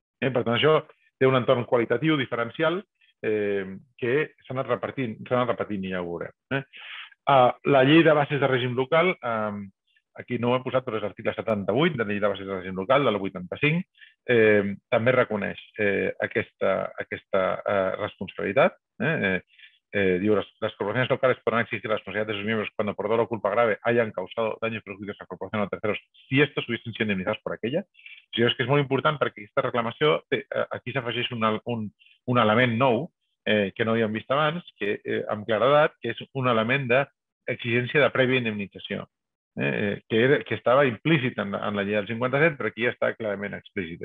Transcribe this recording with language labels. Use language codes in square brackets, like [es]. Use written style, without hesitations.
[ca] Per tant, això té un entorn qualitatiu diferencial que s'ha anat repetint i ja ho veurem. La llei de bases de règim local, aquí no ho hem posat, però és l'article 78 de la llei de bases de règim local, del 85, també reconeix aquesta responsabilitat. Diu, les corporacions locales podran exigir [es] la responsabilitat de sus miembros cuando por dolo o culpa grave hayan causado daños perjudicios a corporaciones o terceros si estos hubiesen sido indemnizados por aquella. [ca] O sigui, és que és molt important perquè aquesta reclamació, aquí s'afegeix un element nou que no havíem vist abans, que amb claredat, que és un element d'exigència de prèvia indemnització. que estava implícit en la llei del 57, però aquí ja està clarament explícit.